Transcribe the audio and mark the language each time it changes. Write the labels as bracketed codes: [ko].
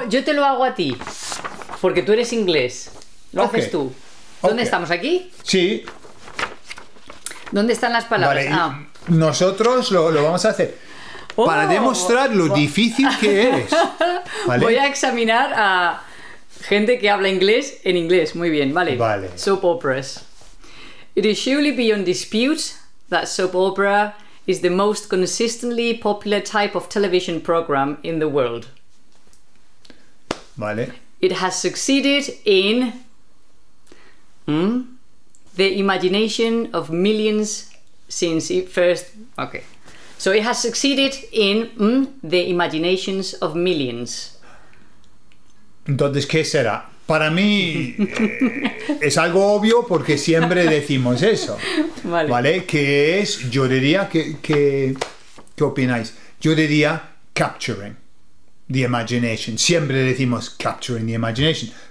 [es] Yo te lo hago a ti. Porque tú eres inglés. Lo okay. haces tú. ¿Dónde okay. estamos? ¿Aquí? Sí. ¿Dónde están las palabras? Vale, nosotros lo vamos a hacer... Para demostrar lo difícil que eres. ¿Vale? Voy a examinar a gente que habla inglés en inglés. Muy bien, vale. Vale. [en] Soap operas. It is surely beyond dispute that soap opera is the most consistently popular type of television program in the world. [es] Vale. [en] It has succeeded in the imagination of millions since it first... Okay. So it has succeeded in the imaginations of millions. [es] Entonces, ¿qué será? Para mí es algo obvio porque siempre decimos eso. Vale. ¿Vale? Que es, yo diría, ¿qué opináis? Yo diría [en] capturing the imagination. [es] Siempre decimos [en] capturing the imagination.